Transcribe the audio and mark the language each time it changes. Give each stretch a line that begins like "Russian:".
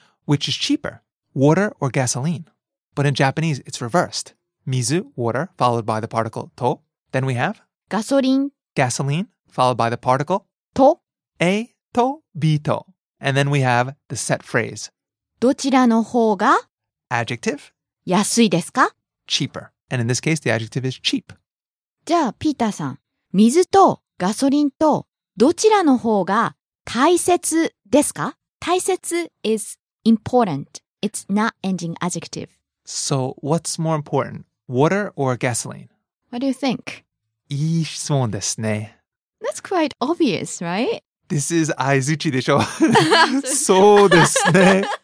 English: Which is cheaper, water or gasoline? But in Japanese, it's reversed. 水 water, followed by the particle と.Then we have
Japanese: ガソリン
English: gasoline, followed by the particle
Japanese: と. A と B と.
English: And then we have the set phrase.
Japanese: どちらの方が
English: adjective
Japanese: 安いですか?
English: Cheaper. And in this case, the adjective is cheap.
Japanese: じゃあ、ピーターさん。水とガソリンとどちらの方が大切ですか?
English: 大切 is important. It's not ending adjective. So what's more important, water or gasoline? What do you think?
Japanese: いい質問ですね。
English: That's quite obvious, right? This is aizuchi でしょ?
Japanese: そうですね。